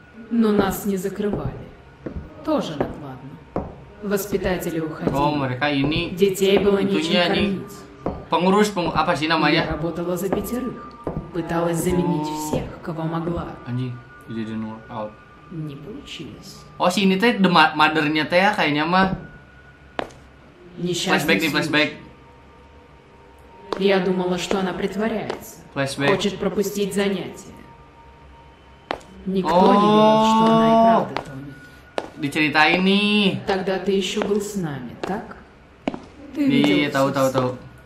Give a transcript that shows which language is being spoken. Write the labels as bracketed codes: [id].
[ru] Но нас не закрывали. Тоже накладно. Воспитатели уходили. [id] О, mereka ini... [ru] Детей было нечем кормить. [id] Pengurus, apa sih namanya? [ru] Я работала за пятерых. Пыталась заменить всех, кого могла. Они, [en] they didn't work out. [ru] Не получилось. [id] О, oh, ini teh mother-nya teh ya, kayaknya mah. [ru] Несчастный [en] flashback, [ru] нет, [en] flashback. [ru] Я думала, что она притворяется. [en] Flashback. [ru] Хочет пропустить занятия. Никто не видел, что она и правда тонет. [id] Diceritain nih. [ru] Тогда ты еще был с нами, так? Ты видел все. Тау.